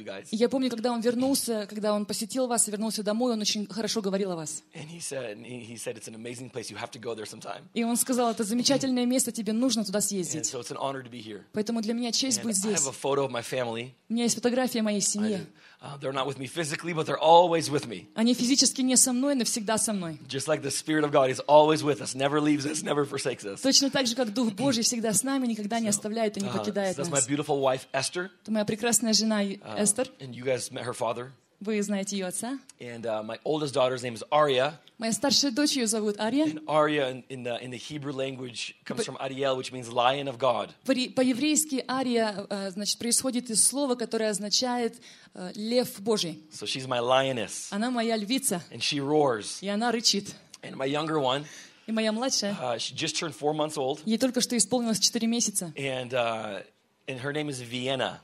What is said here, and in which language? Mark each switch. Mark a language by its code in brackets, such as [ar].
[ru] Я помню, когда он вернулся, когда он посетил вас и вернулся домой, он очень хорошо говорил о вас. И он сказал, это замечательное место, тебе нужно туда съездить. [en] So it's an honor to be here. [ru] Поэтому для меня честь and быть здесь. [en] I have a photo of my family. [ru] У меня есть фотография моей семьи. [en] They're not with me physically, but they're always with me. [ru] Они физически не со мной, но всегда со мной. [en] Just like the Spirit of God is always with us, never leaves us, never forsakes us. [ru] Точно так же, как Дух Божий всегда с нами, никогда не оставляет и не покидает нас. [en] That's my beautiful wife, Esther. [ru] Это моя прекрасная жена Эстер. [en] And you guys met her father. [ru] Вы знаете ее отца. [en] And my oldest daughter's name is Aria. [ru] Моя старшая дочь, ее зовут Ария. [en] And Aria in the Hebrew language comes from Ariel, which means lion of God. [ru] По-еврейски Ария, значит, происходит из слова, которое означает лев Божий. [en] So she's my lioness. [ru] Она моя львица. [en] And she roars. [ru] И она рычит. [en] And my younger one. [ru] И моя младшая. [en] She just turned 4 months old. [ru] Ей только что исполнилось 4 месяца. [en] And her name is Vienna.